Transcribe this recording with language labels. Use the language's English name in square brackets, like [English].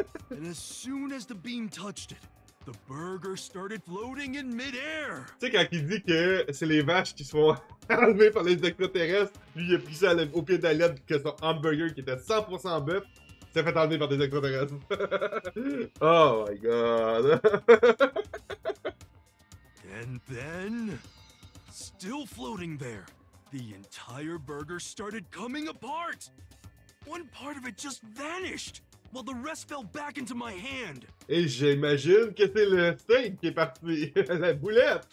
[English] And as soon as the beam touched it, the burger started floating in midair. [French] Tu sais quand il dit que c'est les vaches qui se font enlever par les extraterrestres, lui il a pris ça au pied d'alien que son hamburger qui était 100% bœuf. C'est fait enlever par des extraterrestres. [English] Oh my god. And then, still floating there, the entire burger started coming apart. One part of it just vanished. while the rest fell back into my hand. [French] Et j'imagine que c'est le steak qui est parti, la boulette.